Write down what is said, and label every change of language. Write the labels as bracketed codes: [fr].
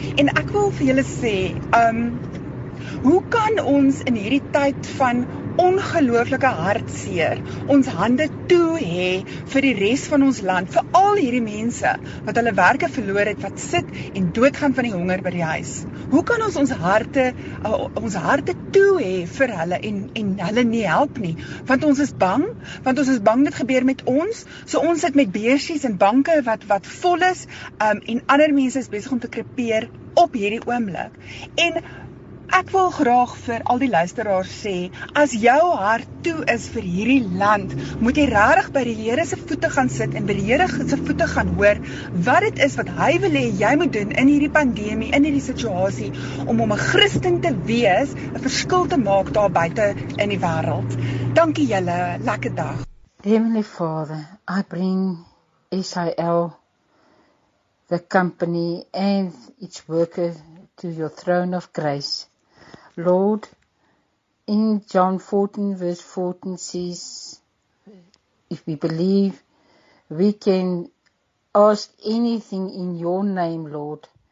[af] En ek wil vir julle sê, hoe kan ons in hierdie tyd van ongelooflike hartseer ons hande toe hê vir die res van ons land, vir al hierdie mense wat hulle werke verloor het, wat sit en doodgaan van die honger by die huis. Hoe kan ons ons harte toe hê vir hulle en hulle nie help nie? Want ons is bang dit gebeur met ons. So ons sit met beursies en banke wat vol is, en ander mense is besig om te krepeer op hierdie oomblik. En ek wil graag vir al die luisteraars sê, as jou hart toe is vir hierdie land, moet jy regtig by die Here se voete gaan sit en by die Here se voete gaan hoor wat dit is wat hy wil hê jy moet doen in hierdie pandemie, in hierdie situasie, om hom 'n Christen te wees, 'n verskil te maak daar buite in die wêreld. Dankie julle, lekker dag. [en] Heavenly Father, I bring Israel, the company and its workers to your throne of grace. Lord, in John 14, verse 14 says, if we believe, we can ask anything in your name, Lord.